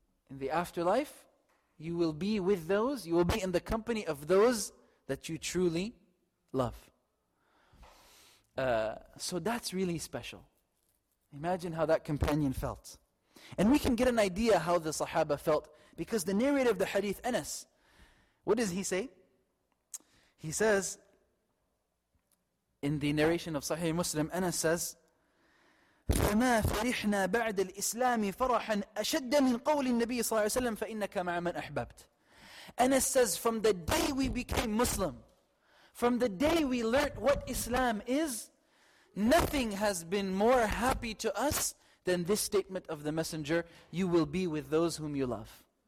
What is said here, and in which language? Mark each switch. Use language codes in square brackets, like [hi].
[en] In the afterlife, you will be with those, you will be in the company of those that you truly love. So that's really special. Imagine how that companion felt. And we can get an idea how the Sahaba felt, because the narrator of the hadith, Anas, what does he say? He says, in the narration of Sahih Muslim, Anas says, [ar] فَمَا فَرِحْنَا بَعْدَ الْإِسْلَامِ فَرَحًا أَشَدَّ مِنْ قَوْلِ النَّبِيِّ صَلَّى اللَّهُ عَلَيْهِ وَسَلَّمَ فَإِنَّكَ مَعَ مَنْ أَحْبَبْتَ. [en] Anas says, from the day we became Muslim, from the day we learnt what Islam is, nothing has been more happy to us than this statement of the Messenger, you will be with those whom you love.